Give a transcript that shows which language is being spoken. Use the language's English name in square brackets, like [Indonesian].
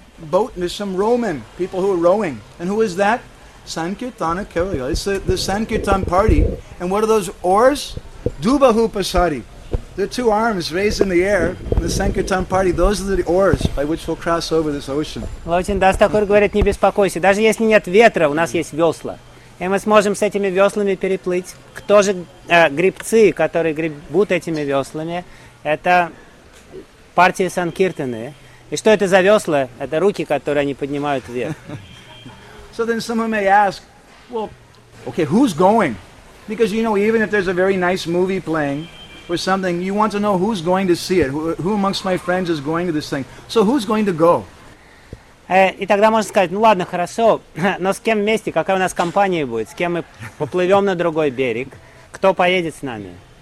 [English] Boat, and there's some rowmen, people who are rowing. And who is that? Sankirtana Kerala. It's the Sankirtan party. And what are those oars? [Bangla] Dubahu Pasari. [English] The two arms raised in the air, the Sankirtan party, those are the oars by which we'll cross over this ocean. [Russian] Lochan Das Thakur говорит, не беспокойся. Даже если нет ветра, у нас есть весла. И мы сможем с этими веслами переплыть. Кто же гребцы, которые гребут этими веслами? Это партия Санкиртаны. И что это за весла? Это руки, которые они поднимают вверх. [English] So then someone may ask, well, okay, who's going? Because, you know, even if there's a very nice movie playing or something, you want to know who's going to see it, who amongst my friends is going to this thing. So who's going to go? [Russian] И тогда можно сказать, ну ладно, хорошо, но с кем вместе, какая у нас компания будет, с кем мы поплывем на другой берег, кто поедет с нами?